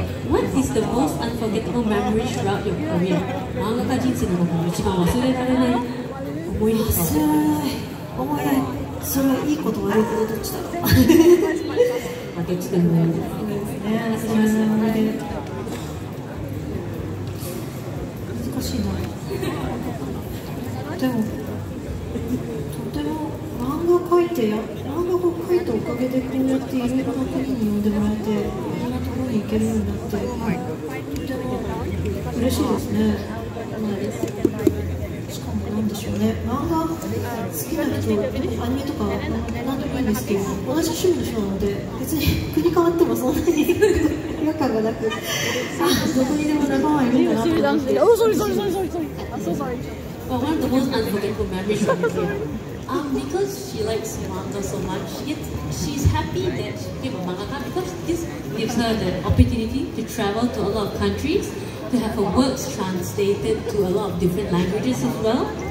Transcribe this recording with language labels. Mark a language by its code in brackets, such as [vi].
[en] What is the most unforgettable memory throughout your career? [ja] 漫画家人生の中で一番忘れられない思い出か。忘れない思い出。それはいいこと悪いことどっちだろう。どっちでもない。難しいな。でも、とても漫画描いてや。おかげでこうやっていろいろな国に呼んでもらえて、いろんなところに行けるようになって、はい、とても嬉しいですね。しかも何でしょうね、漫画好きな人、アニメとか何でもいいんですけど、同じ趣味の人なので、別に国変わってもそんなに違和感がなく、どこにでも仲間はいるんだなと思って。 [en] Oh, sorry, sorry, sorry, sorry. Well, one of the most unforgettable memories. Because she likes manga so much, she's happy that she became a mangaka because this gives her the opportunity to travel to a lot of countries, to have her works translated to a lot of different languages as well.